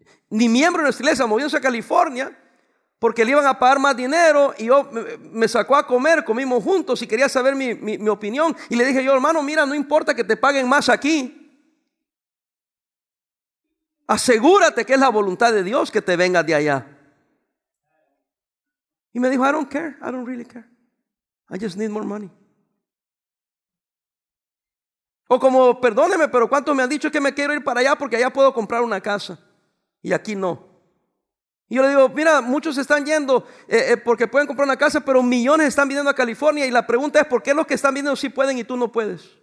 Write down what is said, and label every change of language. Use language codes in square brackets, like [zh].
[es] Ni miembro de nuestra iglesia, moviéndose a California porque le iban a pagar más dinero y yo me sacó a comer, comimos juntos y quería saber mi opinión. Y le dije yo, hermano, mira, no importa que te paguen más aquí. Asegúrate que es la voluntad de Dios que te vengas de allá. Y me dijo, [en] I don't care, I don't really care. I just need more money. [es] O como, perdóneme, pero ¿cuántos me han dicho que me quiero ir para allá porque allá puedo comprar una casa? Y aquí no. Y yo le digo, mira, muchos están yendo porque pueden comprar una casa, pero millones están viniendo a California. Y la pregunta es, ¿por qué los que están viniendo sí pueden y tú no puedes?